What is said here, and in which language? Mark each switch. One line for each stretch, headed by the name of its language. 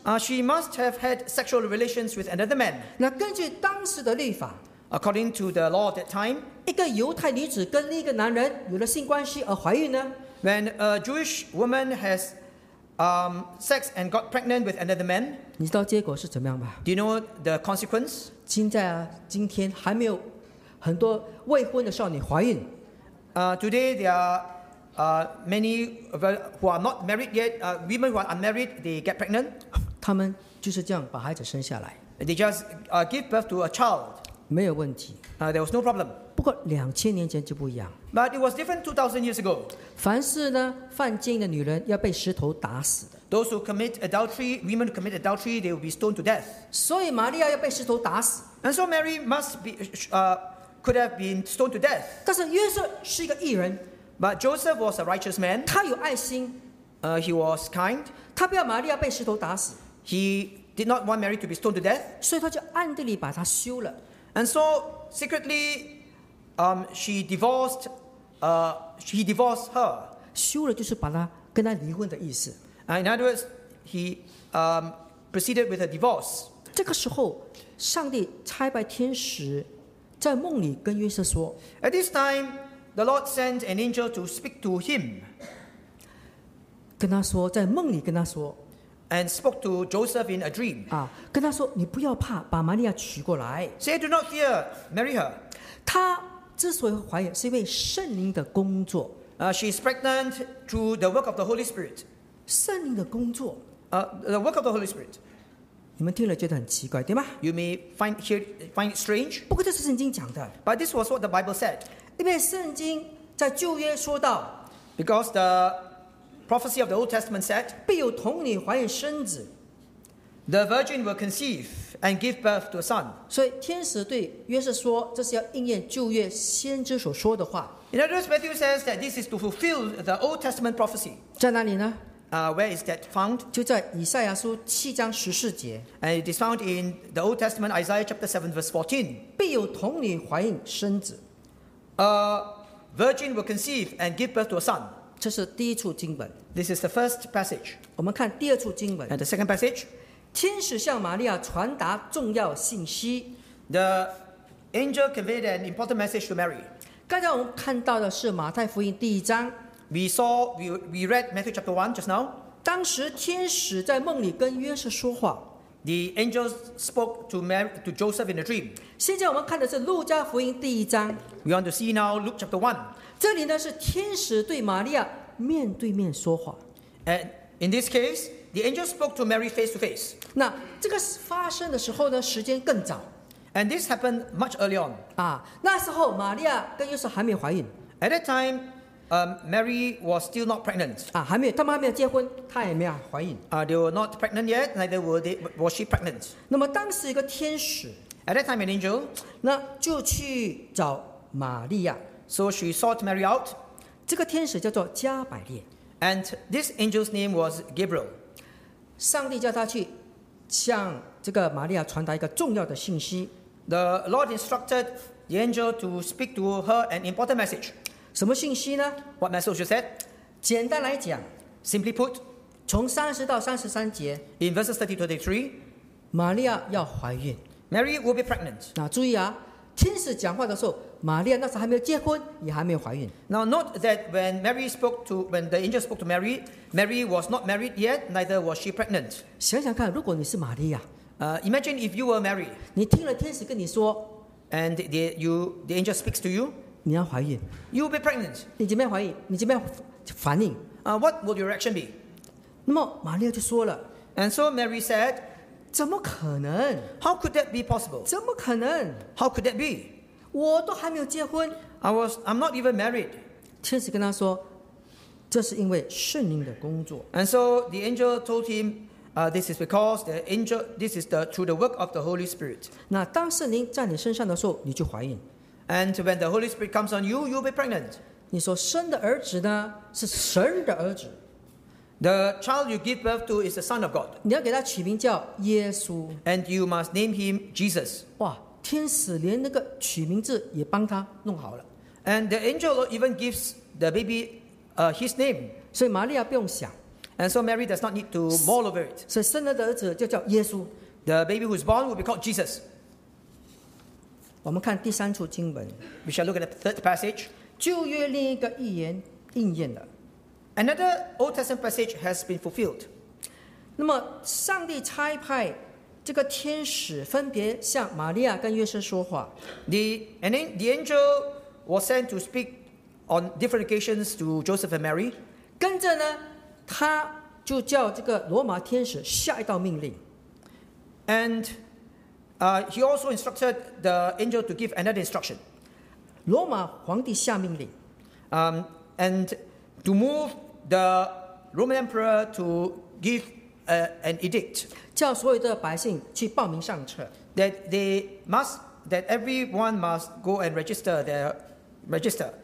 English: She must have had sexual relations with another man.
Chinese: 那根据当时的律法，
English: According to the law at that time,
Chinese: 一个犹太女子跟另一个男人有了性关系而怀孕呢？
English: When a Jewish woman has sex and got pregnant with another man,
Chinese: 你知道结果是怎么样吗？
English: Do you know the consequence?
Chinese: 今天还没有很多未婚的少女怀孕。
English: Today there are many who are not married yet. Women who are unmarried, they get pregnant.
Chinese: 他们就是这样把孩子生下来。
English: They just give birth to a child.
Chinese: 没有问题。
English: There was no problem.
Chinese: 不过两千年前就不一样。
English: But it was different 2,000 years ago.
Chinese: 凡是呢犯奸的女人要被石头打死的。
English: Those who commit adultery, women who commit adultery, they will be stoned to death.
Chinese: 所以玛利亚要被石头打死。
English: And so Mary must be, could have been stoned to death.
Chinese: 但是约瑟是一个义人。
English: But Joseph was a righteous man.
Chinese: 他有爱心。
English: He was kind.
Chinese: 他不要玛利亚被石头打死。
English: He did not want Mary to be stoned to death.
Chinese: 所以他就暗地里把她休了。
English: And so secretly,she divorced her.
Chinese: 休了就是把她跟她离婚的意思。
English: In other words, he proceeded with a divorce.
Chinese: 这个时候，上帝差派天使在梦里跟约瑟说。
English: At this time, the Lord sent an angel to speak to him.
Chinese: 跟他说，在梦里跟他说。
English: And spoke to Joseph in a dream.
Chinese: 跟他说，你不要怕，把玛利亚娶过来。
English: Say, do not fear, marry her.
Chinese: 他之所以怀孕，是因为圣灵的工作。
English: She is pregnant through the work of the Holy Spirit.
Chinese: 圣灵的工作。
English: The work of the Holy Spirit.
Chinese: 你们听了觉得很奇怪，对吗
English: ？You may find it strange.
Chinese: 不过这是圣经讲的。
English: But this was what the Bible said.
Chinese: 因为圣经在旧约说到
English: ，Because the prophecy of the Old Testament said,
Chinese: 必有童女怀孕生子。
English: The virgin will conceive and give birth to a son.
Chinese: 所以天使对约瑟说，这是要应验旧约先知所说的话。
English: In other words, Matthew says that this is to fulfill the Old Testament prophecy.
Chinese: 在哪里呢？
English: Where is that found?
Chinese: 就在以赛亚书七章十四节。
English: And it is found in the Old Testament, Isaiah chapter 7, verse 14.
Chinese: 必有童女怀孕生子。
English: A virgin will conceive and give birth to a son.
Chinese: 这是第一处经本。
English: This is the first passage.
Chinese: 我们看第二处经本。
English: And the second passage.
Chinese: 天使向玛利亚传达重要信息。
English: The angel conveyed an important message to Mary.
Chinese: 刚才我们看到的是马太福音第一章。
English: We read Matthew chapter 1 just now.
Chinese: 当时天使在梦里跟约瑟说话。
English: The angel spoke to Mary, to Joseph in a dream.
Chinese: 现在我们看的是路加福音第一章。
English: We want to see now Luke chapter 1.
Chinese: 这里呢是天使对玛利亚面对面说话。
English: And in this case, the angel spoke to Mary face to face.
Chinese: 那这个发生的时候呢，时间更早。
English: And this happened much early on.
Chinese: 啊，那时候玛利亚跟约瑟还没怀孕。
English: At that time,Mary was still not pregnant.
Chinese: 啊，还没有，他们还没有结婚，她也没有怀孕。
English: They were not pregnant yet. Neither were they. Was she pregnant?
Chinese: 那么当时一个天使
English: ，At that time an angel,
Chinese: 那就去找玛利亚。
English: So she sought Mary out.
Chinese: 这个天使叫做加百列。
English: And this angel's name was Gabriel.
Chinese: 上帝叫他去向这个玛利亚传达一个重要的信息。
English: The Lord instructed the angel to speak to her an important message.
Chinese: 什么信息呢
English: ？What message said?
Chinese: 简单来讲
English: ，simply put，
Chinese: 从三十到三十三节
English: ，in verses 30 to 33，
Chinese: 玛利亚要怀孕
English: ，Mary will be pregnant。
Chinese: 那注意啊，天使讲话的时候，玛利亚那时还没有结婚，也还没有怀孕。
English: Now note that when the angel spoke to Mary, Mary was not married yet, neither was she pregnant。
Chinese: 想想看，如果你是玛利亚
English: ，imagine if you were Mary，
Chinese: 你听了天使跟你说
English: ，and the angel speaks to you。
Chinese: 你要怀孕
English: ，You will be pregnant。
Chinese: 你怎么样怀孕？你怎么样反应
English: ？What would your reaction be？
Chinese: 那么玛利亚就说了
English: ，And so Mary said，
Chinese: 怎么可能
English: ？How could that be possible？
Chinese: 怎么可能
English: ？How could that be？
Chinese: 我都还没有结婚
English: ，I'm not even married。
Chinese: 天使跟他说，这是因为圣灵的工作。
English: And so the angel told him， this is because the angel， this is the through the work of the Holy Spirit。
Chinese: 那当圣灵在你身上的时候，你就怀孕。
English: And when the Holy Spirit comes on you, you'll be pregnant.
Chinese: 你所生的儿子呢，是神的儿子。
English: The child you give birth to is the Son of God.
Chinese: 你要给他取名叫耶稣。
English: And you must name him Jesus.
Chinese: 哇，天使连那个取名字也帮他弄好了。
English: And the angel even gives the baby, his name.
Chinese: 所以玛利亚不用想。
English: And so Mary does not need to mull over it.
Chinese: 所以生了的儿子就叫耶稣。
English: The baby who is born will be called Jesus.
Chinese: 我们看第三处经文。
English: We shall look at the third passage.
Chinese: 旧约另一个预言应验了。
English: Another Old Testament passage has been fulfilled.
Chinese: 那么上帝差派这个天使分别向玛利亚跟约瑟说话。
English: The angel was sent to speak on different occasions to Joseph and Mary.
Chinese: 跟着呢，他就叫这个罗马天使下一道命令。
English: And he also instructed the angel to give another instruction.
Chinese: 罗马皇帝下命令
English: and to move the Roman emperor to give an edict.
Chinese: 叫所有的百姓去报名上册
English: that everyone must go and register their register.